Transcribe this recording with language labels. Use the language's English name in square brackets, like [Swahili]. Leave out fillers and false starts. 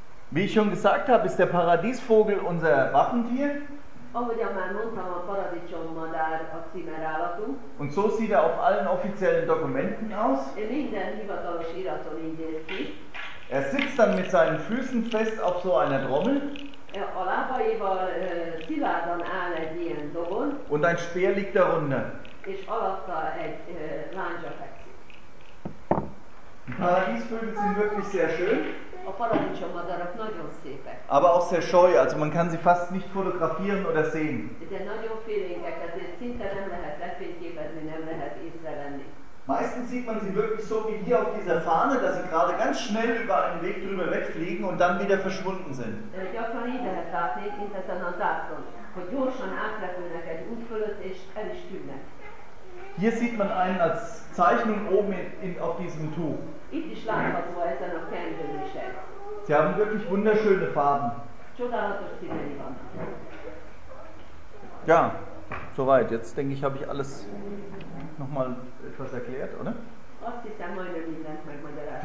[German] Wie ich schon gesagt habe, ist der Paradiesvogel unser Wappentier. [Hungarian] Ahogyan már mondtam, a paradicsom madár a címerállatunk. [German] Und so sieht er auf allen offiziellen Dokumenten aus. [Hungarian] Minden hivatalos iraton így néz ki. [German] Er sitzt dann mit seinen Füßen fest auf so einer Trommel. [Hungarian] A lábaival szilárdan áll egy ilyen dobon. [German] Und ein Speer liegt darunter. [Hungarian] És alatta egy lándzsa fekszik. [German] Die Paradiesvögel sind wirklich sehr schön. [Hungarian] A paradicsommadarak nagyon szépek. [German] Aber auch sehr scheu, also man kann sie fast nicht fotografieren oder sehen. [Hungarian] De nagyon félénkek, ezért szinte nem lehet lefényképezni, nem lehet észrevenni. [German] Meistens sieht man sie wirklich so wie hier auf dieser Fahne, dass sie gerade ganz schnell über einen Weg drüber wegfliegen und dann wieder verschwunden sind. [Hungarian] Gyakran így lehet látni, mint ezen a zászlón, hogy gyorsan átrepülnek egy út fölött és el is tűnnek. [German] Hier sieht man einen als Zeichnung oben auf diesem Tuch. [Hungarian] Itt is látható ezen a kendőn is. [German] Sie haben wirklich wunderschöne Farben. [Hungarian] Csodálatos színei van. [German] Ja, soweit. Jetzt denke ich, habe ich alles nochmal etwas erklärt, oder? [Hungarian] Azt hiszem, majdnem mindent megmagyaráztam.